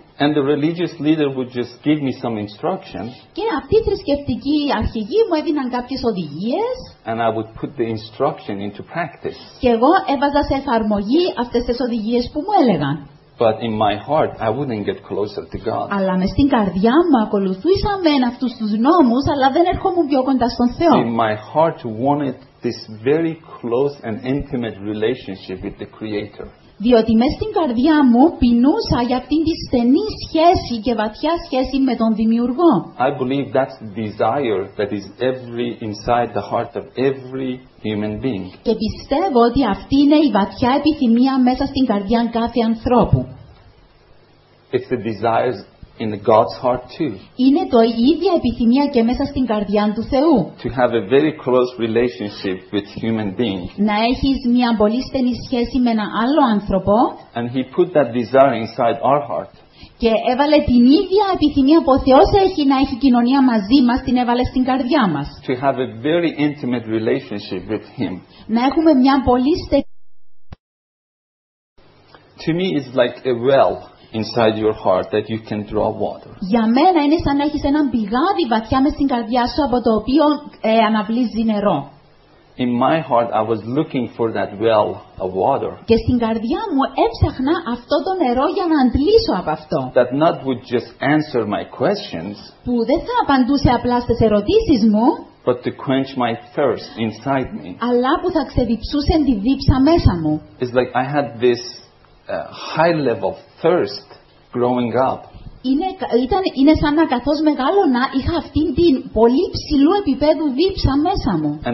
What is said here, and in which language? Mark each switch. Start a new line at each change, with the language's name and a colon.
English: And the religious leader would just give me some instructions.
Greek: Και αυτοί οι θρησκευτικοί αρχηγοί μου έδιναν κάποιες οδηγίες.
English: And I would put the instruction into practice.
Greek: Και εγώ έβαζα σε εφαρμογή αυτές τις οδηγίες που μου έλεγαν.
English: But in my heart, I wouldn't get closer to God.
Greek: Αλλά μες στην καρδιά μου ακολουθούσα μεν αυτούς τους νόμους, αλλά δεν ερχόμουν πιο κοντά στον Θεό.
English: In my heart wanted this very close and intimate relationship with the Creator.
Greek: Διότι μες στην καρδιά μου πεινούσα για αυτήν τη στενή σχέση και βαθιά σχέση με τον Δημιουργό.
English: I believe that's the desire that is every inside the heart of every human being.
Greek: Και πιστεύω ότι αυτή είναι η βαθιά επιθυμία μέσα στην καρδιά κάθε ανθρώπου.
English: It's the desires in God's heart too.
Greek: Είναι το ίδια επιθυμία και μέσα στην καρδιά του Θεού.
English: To have a very close relationship with human being.
Greek: Να έχεις μια πολύ στενή σχέση με ένα άλλο άνθρωπο.
English: And He put that desire inside our heart.
Greek: Και έβαλε την ίδια επιθυμία που ο Θεός έχει να έχει κοινωνία μαζί μας, την έβαλε στην καρδιά μας.
English: To have a very intimate relationship with Him.
Greek: Να έχουμε μια πολύ στενή.
English: To me it's like a well inside your heart that you can draw water.
Greek: Για μένα είναι σαν να έχεις έναν πηγάδι βαθιά μέσα στην καρδιά σου από το οποίο αναβλύζει νερό.
English: In my heart I was looking for that well of water.
Greek: Και στην καρδιά μου έψαχνα αυτό το νερό για να αντλήσω από αυτό.
English: That not would just answer my questions.
Greek: Που δεν θα απαντούσε απλά στις ερωτήσεις μου.
English: But to quench my thirst inside me.
Greek: Αλλά που θα ξεδιψούσε τη δίψα μέσα μου.
English: It's like I had this high level of thirst growing up.
Greek: Είναι σαν να καθώς μεγάλωνα είχα αυτήν την πολύ ψηλού επίπεδου δίψα μέσα μου.